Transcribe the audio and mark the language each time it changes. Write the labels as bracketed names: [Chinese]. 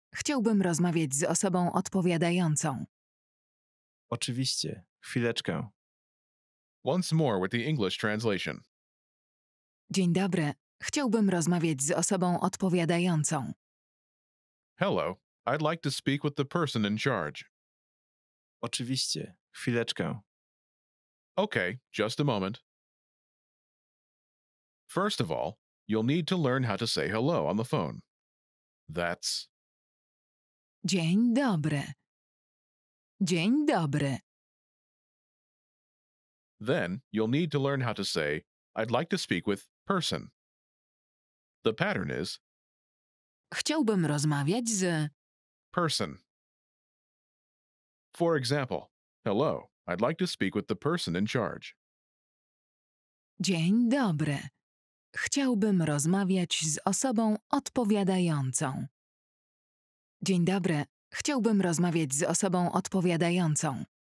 [Polish] Chciałbym rozmawiać z osobą odpowiadającą. Oczywiście. Chwileczkę. [English] Once more with the English translation. [Polish] Dzień dobry. Chciałbym rozmawiać z osobą odpowiadającą. [English] Hello. I'd like to speak with the person in charge. [Polish] Oczywiście. Chwileczkę. [English] Okay, just a moment. First of all, you'll need to learn how to say hello on the phone. That's... [Polish] Dzień dobry. Dzień dobry. [English] Then, you'll need to learn how to say, I'd like to speak with person. The pattern is... [Polish] Chciałbym rozmawiać z... [English] Person. For example, hello, I'd like to speak with the person in charge. [Polish] Dzień dobry. Chciałbym rozmawiać z osobą odpowiadającą. Dzień dobry. Chciałbym rozmawiać z osobą odpowiadającą.